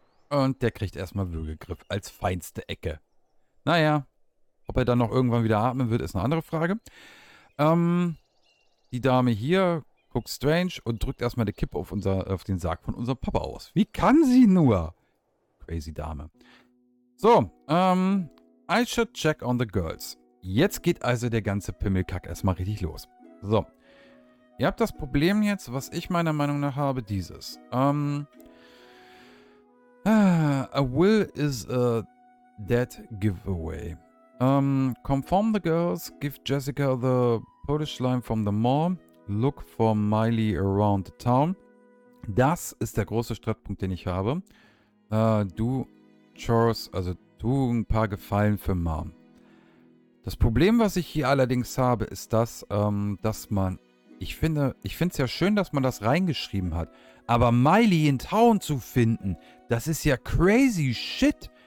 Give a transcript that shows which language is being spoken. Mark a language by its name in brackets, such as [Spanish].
[German] Und der kriegt erstmal Würgegriff als feinste Ecke. Naja, ob er dann noch irgendwann wieder atmen wird, ist eine andere Frage. Die Dame hier guckt strange und drückt erstmal die Kippe auf den Sarg von unserem Papa aus. Wie kann sie nur? Crazy Dame. [English] So, I should check on the girls. [German] Jetzt geht also der ganze Pimmelkack erstmal richtig los. So, ihr habt das Problem jetzt, was ich meiner Meinung nach habe, dieses. [English] A will is a dead giveaway. Conform the girls, give Jessica the Polish line from the mall. Look for Miley around the town. [German] Das ist der große Streitpunkt, den ich habe. [English] Do chores, [German] also tu ein paar Gefallen für Mom. Das Problem, was ich hier allerdings habe, ist das, dass man, ich finde es ja schön, dass man das reingeschrieben hat, aber Miley in Town zu finden, das ist ja [English] crazy shit.